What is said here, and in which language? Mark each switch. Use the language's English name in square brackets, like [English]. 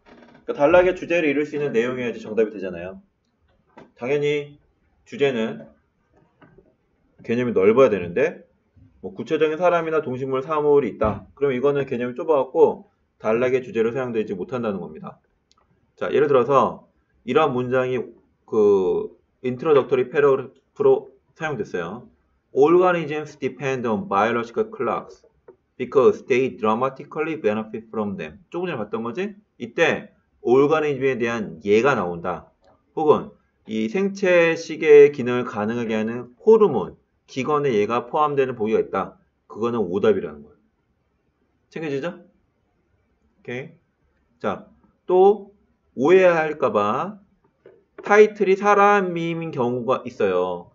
[Korean] 그러니까 단락의 주제를 이룰 수 있는 내용이어야지 정답이 되잖아요. 당연히 주제는 개념이 넓어야 되는데, 뭐 구체적인 사람이나 동식물, 사물이 있다. 그럼 이거는 개념이 좁아갖고 단락의 주제로 사용되지 못한다는 겁니다. 자, 예를 들어서 이러한 문장이 그 인트로덕터리 패러그래프로 사용됐어요. [English] Organisms depend on biological clocks because they dramatically benefit from them. [Korean] 조금 전에 봤던 거지? 이때 organism에 대한 예가 나온다. 혹은 이 생체 시계의 기능을 가능하게 하는 호르몬, 기관의 예가 포함되는 보기가 있다. 그거는 오답이라는 거예요. 챙겨지죠? 오케이. 자, 또 오해할까봐 타이틀이 사람인 경우가 있어요.